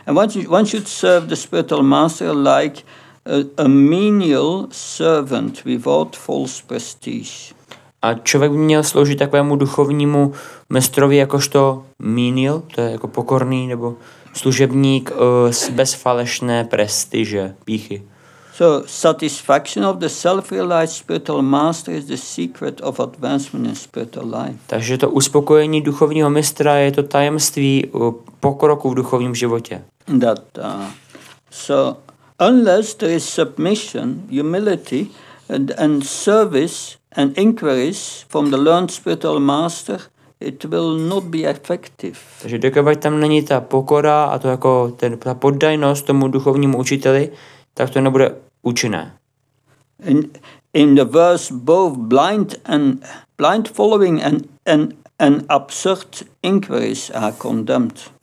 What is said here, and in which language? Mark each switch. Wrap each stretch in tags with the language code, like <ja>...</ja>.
<en>And one should serve the spiritual master like a menial servant without false prestige.</en> <cs>A člověk by měl sloužit takovému duchovnímu mistrovi jakožto menial, to je jako pokorný nebo služebník bez falešné prestiže, píchy.</cs> <en>So satisfaction of the self-realized spiritual master is the secret of advancement in spiritual life.</en> <cs>Takže to uspokojení duchovního mistra je to tajemství pokroku v duchovním životě.</cs> <en>That so unless there is submission, humility and service and inquiries from the learned spiritual master, it will not be effective.</en> <cs>Takže dokud tam není ta pokora a to jako ta poddajnost tomu duchovnímu učiteli, tak to nebude účinné.</cs> <en>In the verse both blind following and absurd inquiries are condemned.</en>